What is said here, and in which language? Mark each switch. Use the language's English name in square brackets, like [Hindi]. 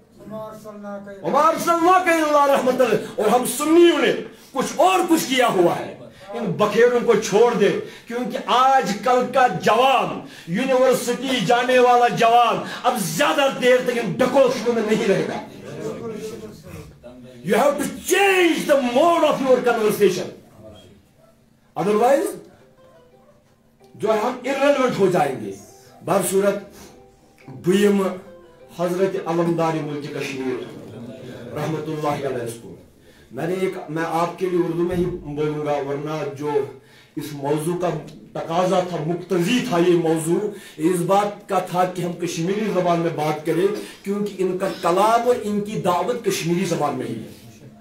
[Urdu] عمر صلی اللہ علیہ وسلم رحمت اللہ, اور ہم سنیوں نے کچھ اور کچھ کیا ہوا ہے. ان بکھیڑوں کو چھوڑ دے, کیونکہ آج کل کا جوان, یونیورسٹی جانے والا جوان اب زیادہ دیر تک ان ڈکوسوں میں نہیں رہے گا. [English] You have to change the mode of your conversation. [Urdu] Otherwise, جو ہے ہم irrelevant ہو جائیں گے. بہر صورت بیم حضرت علمداری ملک کشمیر رحمت اللہ علیہ اس کو میں نے ایک, میں آپ کے لیے اردو میں ہی بولوں گا, ورنہ جو اس موضوع کا تقاضا تھا, مقتضی تھا یہ موضوع, اس بات کا تھا کہ ہم کشمیری زبان میں بات کریں, کیونکہ ان کا کلام اور ان کی دعوت کشمیری زبان میں ہی ہے.